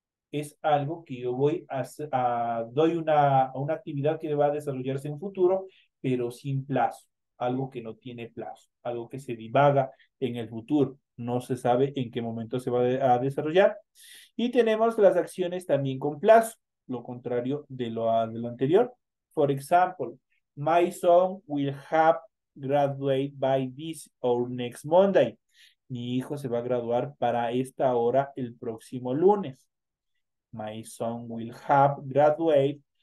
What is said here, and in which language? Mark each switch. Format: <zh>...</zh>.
<es>Es algo que yo voy a doy una actividad que va a desarrollarse en futuro, pero sin plazo, algo que no tiene plazo, algo que se divaga en el futuro, no se sabe en qué momento se va a desarrollar. Y tenemos las acciones también con plazo, lo contrario de lo anterior. Por ejemplo,</es> <en>my son will have graduated by this or next Monday.</en> <es>Mi hijo se va a graduar para esta hora el próximo lunes.</es> <en>My son will have graduated.</en>